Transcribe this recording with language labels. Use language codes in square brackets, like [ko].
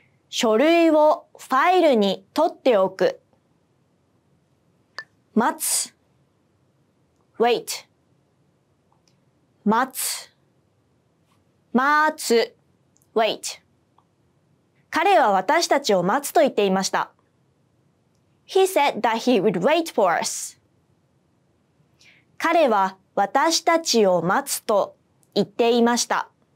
[ja] 書類をファイルに取っておく。待つ [en] wait [ja] 待つ待つ [en] wait [ja] 彼は私たちを待つと言っていました。 [en] He said that he would wait for us. [ja] 彼は私たちを待つと言っていました。